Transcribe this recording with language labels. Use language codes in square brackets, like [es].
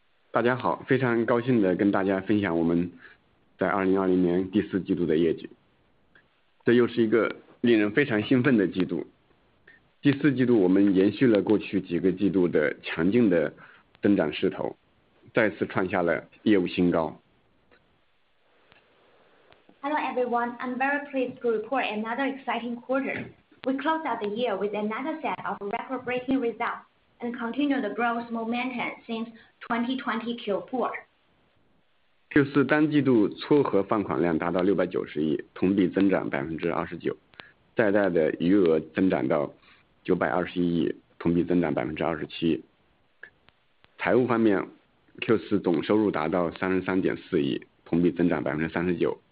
[zh] 大家 好， 非常高兴地跟大家分享我们在2020年第四季度的业绩。这又是一个令人非常兴奋的季度。第四季度我们延续了过去几个季度的强劲的增长势 头， 再次创下了业务新高。 [en] Hello, everyone. I'm very pleased to report another exciting quarter. We closed out the year with another set of record-breaking results and continued the growth momentum since 2020 Q4. [zh] Q4 单季度撮合放款量达到 69亿，同比 增长 29%，贷贷的余额增长到 921亿，同比 增长 27%。财务方 面，Q4 总收入达到 33.4亿，同比 增长 39%。